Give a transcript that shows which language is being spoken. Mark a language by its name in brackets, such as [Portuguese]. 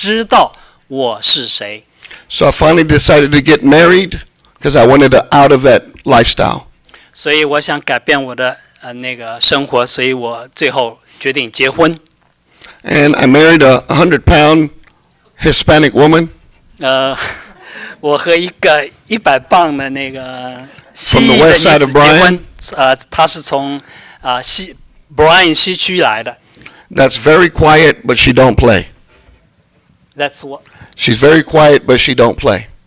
[Chinese] 一辈子到那个时候，我想要的是我能够有我自己的美国梦，我也想让我自己的孩子知道我是谁。 [English] So I finally decided to get married because I wanted out of that lifestyle. [Chinese] 所以我想改变我的那个生活，所以我最后决定结婚。 [English] And I married a 100-pound Hispanic woman. [Chinese] 我和一个100磅的那个。 [English] From the west side of Bryan, [Chinese] 她是从Bryan 西区来的。 [English] That's very quiet, but she don't play. That's what. She's very quiet, but she don't play.